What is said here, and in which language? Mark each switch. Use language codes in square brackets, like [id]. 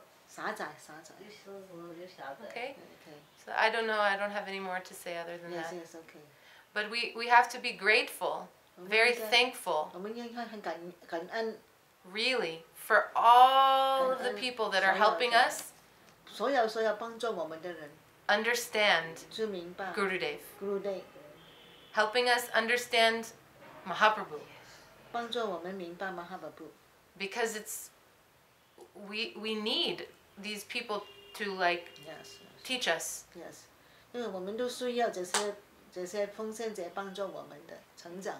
[zh] 狭窄，狭窄。又事实又狭窄。 [en] Okay. So I don't know. I don't have any more to say other than that. Yes, yes, okay. But we have to be grateful, very thankful. [zh] 我们应该很感恩。 [en] Really, for all of the people that are helping us, [zh] 所有所有帮助我们的人 [en] understand [zh] 就明白 [en] Gurudev, [zh] Gurudev, [en] helping us understand Mahaprabhu, [zh] 帮助我们明白 Mahaprabhu, [en] because it's we need these people to like yes, teach us [zh] yes, 因为我们都需要这些奉献者帮助我们的成长